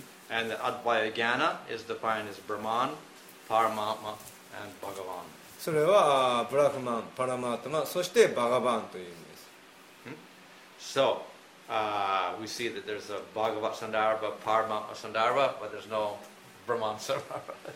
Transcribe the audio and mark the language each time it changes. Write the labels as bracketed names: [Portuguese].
[English] And the Advaya Jnana is defined as Brahman, Paramatma, and Bhagavan. [Japanese] それは Brahman, Paramatma, そして Bhagavan という意味です。 [English] So, we see that there's a Bhagavat Sandarbha, Paramatma Sandarbha, but there's no Brahman Sandarbha.